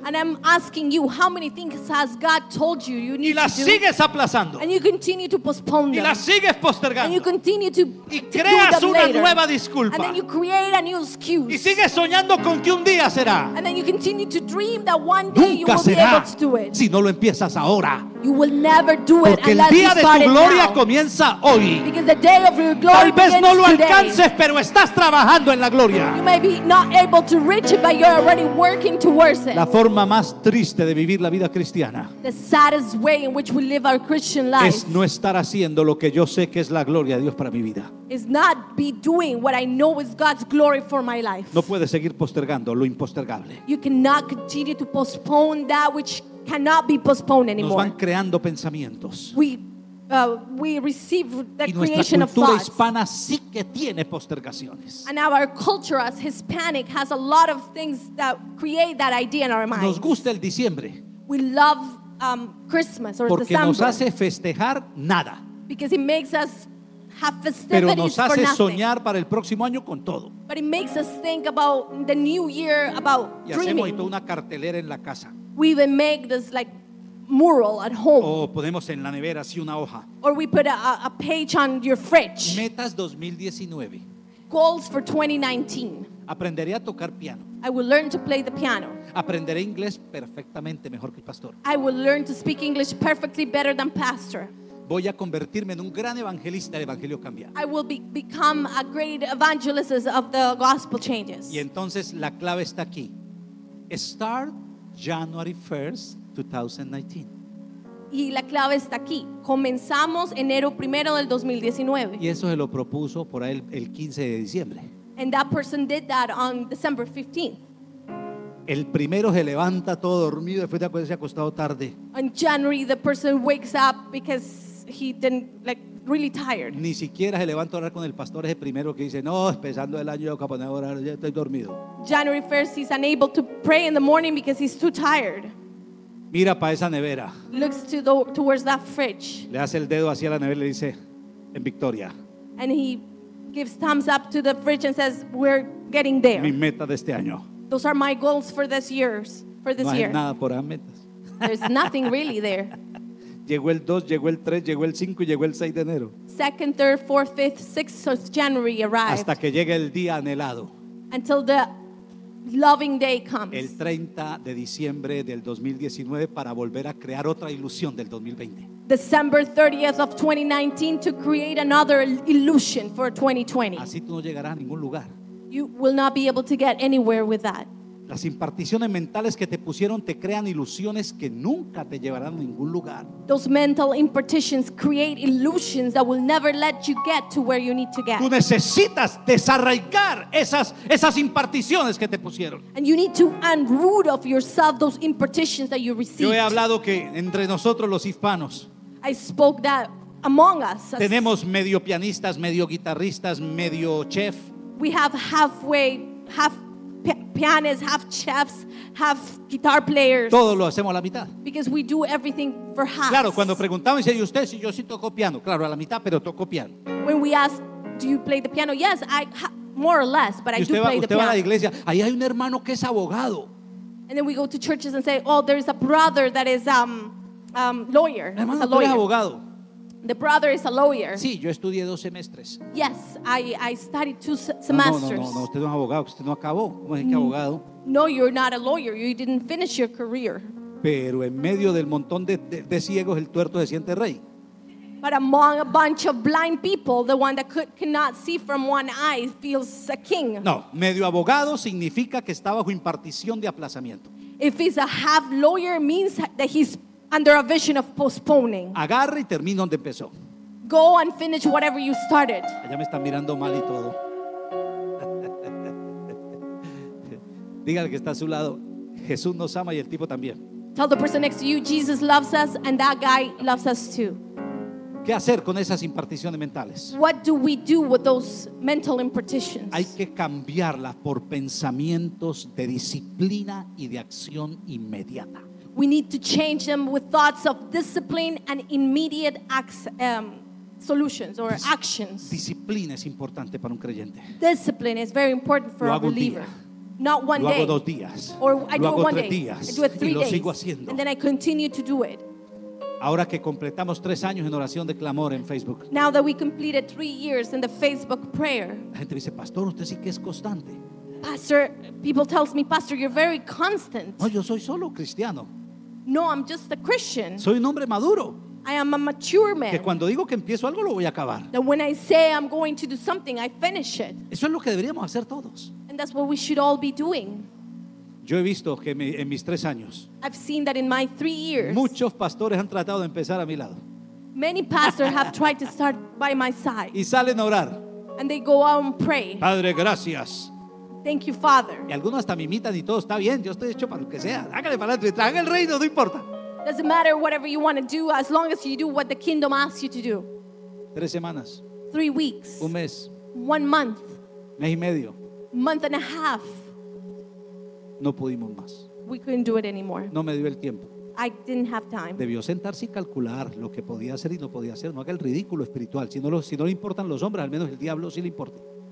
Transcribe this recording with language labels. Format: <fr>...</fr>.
<en>And I'm asking you, how many things has God told you you need to do?</en> <es>Y las sigues aplazando.</es> <en>And you continue to postpone them.</en> <es>Y las sigues postergando.</es> <en>And you continue to</en> <es>y creas una nueva disculpa.</es> <en>And then you create a new excuse.</en> <es>Y sigues soñando con que un día será.</es> <en>And then you continue to dream that one day you will be able to do it.</en> <es>Si no lo empiezas ahora.</es> <en>You will never do it</en> <es>porque el día de tu gloria comienza hoy.</es> <en>Because the day of your glory begins today.</en> <es>Tal vez no lo alcances, pero estás trabajando en la gloria.</es> <en>You may be not able to reach it, but you're already working towards it.</en> <es>La forma más triste de vivir la vida cristiana.</es> <en>The saddest way in which we live our Christian life.</en> <es>Es no estar haciendo lo que yo sé que es la gloria de Dios para mi vida.</es> <en>Is not be doing what I know is God's glory for my life.</en> <es>No puedes seguir postergando lo impostergable.</es> <en>You cannot continue to postpone that which cannot be postponed anymore.</en> <es>Nos van creando pensamientos.</es> <en>We receive the creation of thoughts.</en> <es>Y nuestra cultura hispana sí que tiene postergaciones.</es> <en>And now our culture as Hispanic has a lot of things that create that idea in our minds.</en> <es>Nos gusta el diciembre.</es> <en>We love Christmas or</en> <es>porque</es> <en>December.</en> <es>Nos hace festejar nada.</es> <en>Because it makes us have festivities for nothing.</en> <es>Pero nos hace soñar para el próximo año con todo.</es> <en>But it makes us think about the new year, about dreaming.</en> <es>Y hacemos toda una cartelera en la casa.</es> <en>We even make this like mural at home.</en> <es>O ponemos en la nevera así una hoja.</es> <en>Or we put a page on your fridge.</en> <es>Metas 2019.</es> <en>Goals for 2019.</en> <es>Aprenderé a tocar piano.</es> <en>I will learn to play the piano.</en> <es>Aprenderé inglés perfectamente mejor que el pastor.</es> <en>I will learn to speak English perfectly better than pastor.</en> <es>Voy a convertirme en un gran evangelista del evangelio cambiado.</es> <en>I will become a great evangelist of the gospel changes.</en> <es>Y entonces la clave está aquí.</es> <en>Start January 1st, 2019.</en> <es>Y la clave está aquí. Comenzamos enero primero del 2019. Y eso se lo propuso por ahí el 15 de diciembre.</es> <en>And that person did that on December 15th.</en> <es>El primero se levanta todo dormido después de haberse acostado tarde.</es> <en>On January, the person wakes up because he didn't, like, really tired.</en> <es>Ni siquiera se levanta a orar con el pastor, es el primero que dice, no, empezando el año yo voy a poner a orar, ya estoy dormido.</es> <en>January 1st, he's unable to pray in the morning because he's too tired.</en> <es>Mira para esa nevera.</es> <en>Looks to the, towards that fridge.</en> <es>Le hace el dedo hacia la nevera y le dice, en victoria.</es> <en>And he gives thumbs up to the fridge and says, we're getting there.</en> <es>Mi meta de este año.</es> <en>Those are my goals for this year. For this</en> <es>no hay</es> <en>year.</en> <es>Nada por las metas.</es> <en>There's nothing really there.</en> <es>Llegó el 2, llegó el 3, llegó el 5 y llegó el 6 de enero.</es> <en>2nd, 3rd, 4th, 5th, 6th January arrived.</en> <es>Hasta que llegue el día anhelado.</es> <en>Until the loving day comes.</en> <es>El 30 de diciembre del 2019 para volver a crear otra ilusión del 2020.</es> <en>December 30th of 2019 to create another illusion for 2020.</en> <es>Así tú no llegarás a ningún lugar.</es> <en>You will not be able to get anywhere with that.</en> <es>Las imparticiones mentales que te pusieron te crean ilusiones que nunca te llevarán a ningún lugar.</es> <en>Those mental impartitions create illusions that will never let you get to where you need to get.</en> <es>Tú necesitas desarraigar esas imparticiones que te pusieron.</es> <en>And you need to unroot of yourself those impartitions that you received.</en> <es>Yo he hablado que entre nosotros los hispanos.</es> <en>I spoke that among us.</en> <es>Tenemos medio pianistas, medio guitarristas, medio chef.</es> <en>We have halfway, half pianists, half chefs, half guitar players.</en> <es>Todos lo hacemos a la mitad.</es> <en>Because we do everything for half.</en> <es>Claro, cuando preguntamos, dice, ¿y usted? Si yo sí toco piano. Claro, a la mitad, pero toco piano.</es> <en>When we ask, do you play the piano? Yes, I more or less, but I do play the piano.</en> <es>Usted va a la iglesia, ahí hay un hermano que es abogado.</es> <en>And then we go to churches and say, oh, there is a brother that is lawyer.</en> <es>Hermano,</es> <en>a lawyer.</en> <es>Es abogado.</es> <en>The brother is a lawyer.</en> <es>Sí, yo estudié dos semestres.</es> <en>Yes, I studied two semesters.</en> <es>No, usted no es abogado, usted no acabó. ¿Cómo es que abogado?</es> <en>No, you're not a lawyer. You didn't finish your career.</en> <es>Pero en medio del montón de ciegos, el tuerto se siente rey.</es> <en>But among a bunch of blind people, the one that cannot see from one eye feels a king.</en> <es>No, medio abogado significa que está bajo impartición de aplazamiento.</es> <en>If he's a half lawyer, means that he's under a vision of postponing.</en> <es>Agarre y termine donde empezó.</es> <en>Go and finish whatever you started.</en> <es>Allá me están mirando mal y todo. Dígale que está a su lado, Jesús nos ama y el tipo también.</es> <en>Tell the person next to you, Jesus loves us and that guy loves us too.</en> <es>¿Qué hacer con esas imparticiones mentales?</es> <en>What do we do with those mental impartitions?</en> <es>Hay que cambiarlas por pensamientos de disciplina y de acción inmediata.</es> <en>We need to change them with thoughts of discipline and immediate solutions or actions.</en> <es>Disciplina es importante para un creyente.</es> <en>Discipline is very important for a believer.</en> <es>Día.</es> <en>Not one</en> <es>Lo hago</es> <en>day.</en> <es>Dos días.</es> <en>Or I do</en> <es>hago</es> <en>it one day.</en> <es>Días.</es> <en>I do it three</en> <es>y lo</es> <en>days.</en> <es>Sigo haciendo.</es> <en>And then I continue to do it.</en> <es>Ahora que completamos 3 años en oración de clamor en Facebook.</es> <en>Now that we completed 3 years in the Facebook prayer.</en> <es>La gente dice, pastor, usted sí que es constante.</es> <en>Pastor, people tells me, pastor, you're very constant.</en> <es>No, yo soy solo cristiano.</es> <en>No, I'm just a Christian.</en> <es>Soy un hombre maduro.</es> <en>I am a mature man.</en> <es>Que cuando digo que empiezo algo lo voy a acabar.</es> <en>That when I say I'm going to do something, I finish it.</en> <es>Eso es lo que deberíamos hacer todos.</es> <en>And that's what we should all be doing.</en> <es>Yo he visto que en mis 3 años.</es> <en>I've seen that in my 3 years.</en> <es>Muchos pastores han tratado de empezar a mi lado.</es> <en>Many pastors have tried to start by my side.</en> <es>Y salen a orar.</es> <en>And they go out and pray.</en> <es>Padre, gracias.</es> <en>Thank you, Father.</en> <es>Y algunos hasta me imitan y todo está bien. Yo estoy hecho para lo que sea. Hágale para adelante, traga el reino, no importa.</es> <en>Doesn't matter whatever you want to do, as long as you do what the kingdom asks you to do.</en> <es>3 semanas.</es> <en>3 weeks.</en> <es>1 mes.</es> <en>1 month.</en> <es>Mes y medio.</es> <en>Month and a half.</en> <es>No pudimos más.</es> <en>We couldn't do it anymore.</en> <es>No me dio el tiempo.</es> <en>I didn't have time.</en> <es>Debió sentarse y calcular lo que podía hacer y no podía hacer. No haga el ridículo espiritual. Si no le importan los hombres, al menos el diablo sí le importa.</es>